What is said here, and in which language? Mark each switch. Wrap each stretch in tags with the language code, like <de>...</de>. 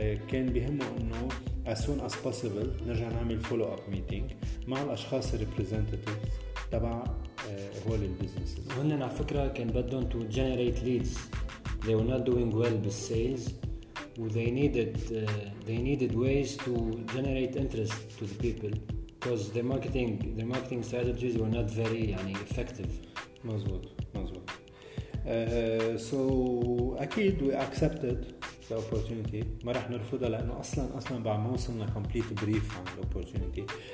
<ar>كان بيهمه انه</ar> <en>as soon as possible</en> <ar>نرجع نعمل</ar> <en>follow up meeting</en> <ar>مع الأشخاص representatives تبع هول البيزنسز. وهن على فكرة كان بدهم</ar> <en>to generate leads. They were not doing well with sales and they needed ways to generate interest to the people because their marketing strategies were not very يعني effective.</en> <ar>مزبوط مزبوط.</ar> <en>So أكيد we accepted the opportunity.</en> <ar>ما رح نرفضها لأنه أصلا بعد ما وصلنا</ar> <en>complete brief</en> <ar>عن</ar> <en>the opportunity.</en>